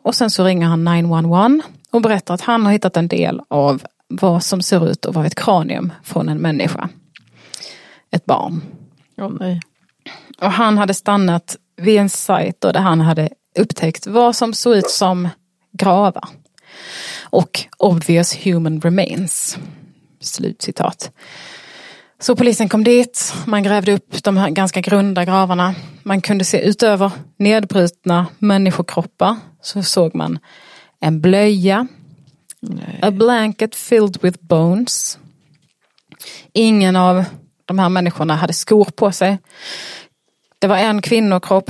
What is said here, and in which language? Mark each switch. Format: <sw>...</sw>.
<sv>Och sen så ringer han 911 och berättar att han har hittat en del av vad som ser ut att vara ett kranium från en människa. Ett barn. Oh, nej. Och han hade stannat vid en sajt där han hade upptäckt vad som såg ut som gravar. Och</sv> <en>obvious human remains.</en> <sv>Slutcitat. Så polisen kom dit. Man grävde upp de här ganska grunda gravarna. Man kunde se utöver nedbrutna människokroppar. Så såg man en blöja. Nej.</sv> <en>A blanket filled with bones.</en> <sv>Ingen av de här människorna hade skor på sig. Det var en kvinnokropp.</sv>